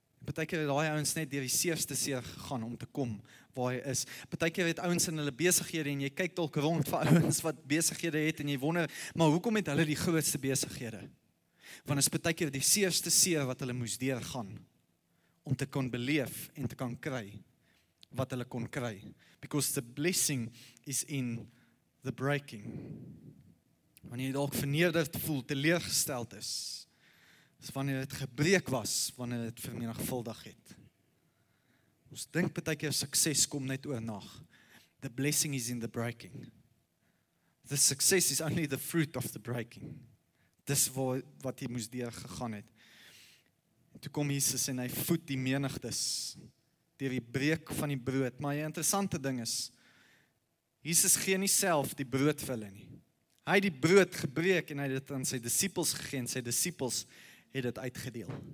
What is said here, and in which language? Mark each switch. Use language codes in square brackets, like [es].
[af] Partykeer het daai ouens net deur die seerste seer gegaan om te kom waar hy is. Partykeer het ouens in hulle besighede en jy kyk dalk rond vir ouens wat besighede het en jy wonder, maar hoekom het hulle die grootste besighede? Want is partykeer die seerste seer wat hulle moes deurgaan. Om te kon beleef en te kan kry wat hulle kon kry. [en] Because the blessing is in the breaking. [af] Wanneer jy dalk vernederd voel, teleurgesteld is, is wanneer het gebreek was, wanneer het vermenigvuldig het. Ons dink partykeer sukses kom net oornag. [en] The blessing is in the breaking. The success is only the fruit of the breaking. [af] Dis wat jy moes deur gegaan het. Toe kom Jesus en hy voed die menigtes deur die breek van die brood. Maar die interessante ding is, Jesus gee nie self die brood vir hulle nie. Hy het die brood gebreek en hy het dit aan sy disippels gegee en sy disippels het dit uitgedeel.